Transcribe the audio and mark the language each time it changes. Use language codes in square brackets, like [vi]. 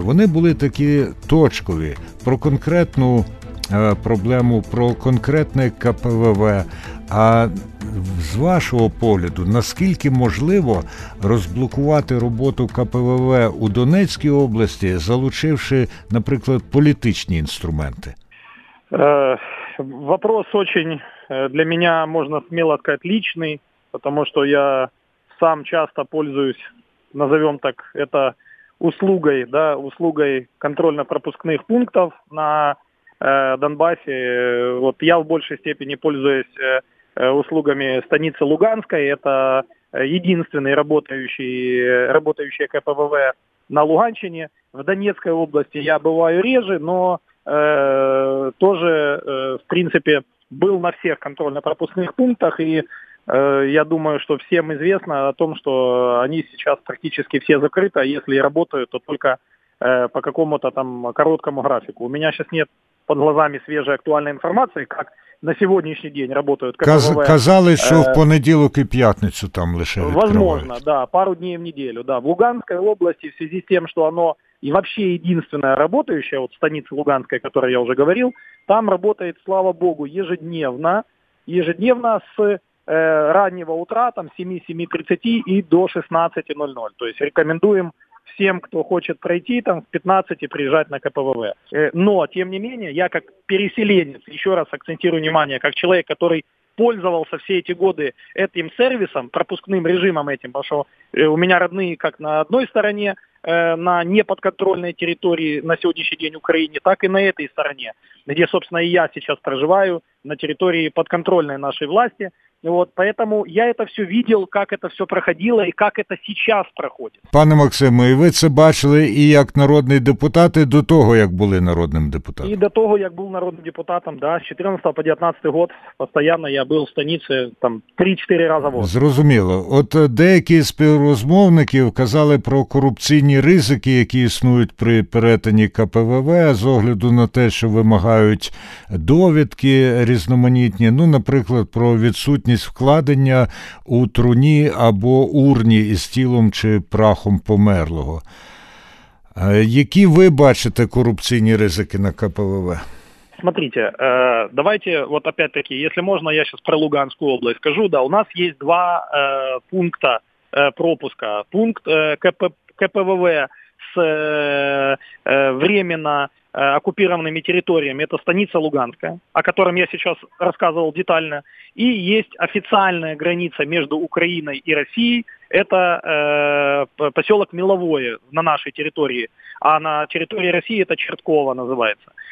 [uk] Вони були такі точкові, про конкретну проблему, про конкретне КПВВ. А з вашого погляду, наскільки можливо розблокувати роботу КПВВ у Донецькій області, залучивши, наприклад, політичні інструменти? [ru] Вопрос очень для меня, можно смело сказать, личный, потому что я сам часто пользуюсь, назовем так, это услугой, да, услугой контрольно-пропускных пунктов на Донбассе. Вот я в большей степени пользуюсь услугами станицы Луганской. Это единственный работающий КПВВ на Луганщине. В Донецкой области я бываю реже, но тоже, в принципе, был на всех контрольно-пропускных пунктах. И я думаю, что всем известно о том, что они сейчас практически все закрыты. А если и работают, то только по какому-то там короткому графику. У меня сейчас нет под глазами свежей актуальной информации, как на сегодняшний день работают КПВВ. [uk] Казали, что в понеділок и п'ятницю там лише відкривають. [ru] Возможно, да, пару дней в неделю, да. В Луганской области, в связи с тем, что оно и вообще единственное работающее, вот станица Луганская, о которой я уже говорил, там работает, слава богу, ежедневно с раннего утра, там с 7:00-7:30 и до 16:00. То есть рекомендуем всем, кто хочет пройти, там в 15 приезжать на КПВВ. Но, тем не менее, я как переселенец, еще раз акцентирую внимание, как человек, который пользовался все эти годы этим сервисом, пропускным режимом этим, потому что у меня родные как на одной стороне, на неподконтрольной территории на сегодняшний день Украине, так и на этой стороне, где, собственно, и я сейчас проживаю, на территории подконтрольной нашей власти. Вот, поэтому я это все видел, как это все проходило и как это сейчас проходит. [uk] Пане Максиме, ви це бачили і як народний депутат, і до того, як були народним депутатом? І до того, як був народним депутатом, да, з 14 по 19 год постоянно я був в станиці там 3-4 рази в год. Зрозуміло. От деякі співрозмовники казали про корупційні ризики, які існують при перетині КПВВ, з огляду на те, що вимагають довідки різноманітні, ну, наприклад, про відсутність вкладення у труні або урні із тілом чи прахом померлого. Які ви бачите корупційні ризики на КПВВ? [ru] Смотрите, давайте, вот опять-таки, если можно, я сейчас про Луганскую область скажу. Да, у нас есть два пункта пропуска. Пункт КПВВ с временно оккупированными территориями, это станица Луганская, о котором я сейчас рассказывал детально, и есть официальная граница между Украиной и Россией, это поселок Меловое на нашей территории, а на территории России это Чертково называется.